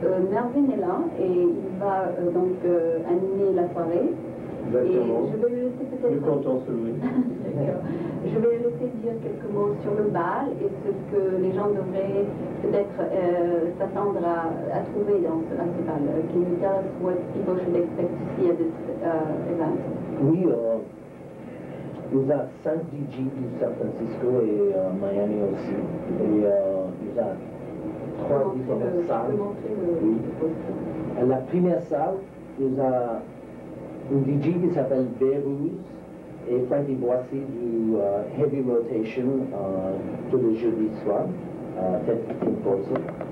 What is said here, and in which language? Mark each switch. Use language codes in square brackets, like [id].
[fr] Mervyn est là et il va animer la soirée. Exactement. Et je vais lui laisser peut-être. Nous comptons sur lui. Je vais lui laisser dire quelques mots sur le bal et ce que les gens devraient peut-être s'attendre à trouver dans ce bal. [en] Can you tell us what people should expect to see at this event? [fr] Oui, nous avons 5 DJ de San Francisco et Miami aussi. Et nous avons 3 différentes salles. Oui. La première salle, nous avons. Un DJ qui s'appelle Bérouz et Frankie Boissy du Heavy Rotation tous les jeudis soirs, Tim Poulsen.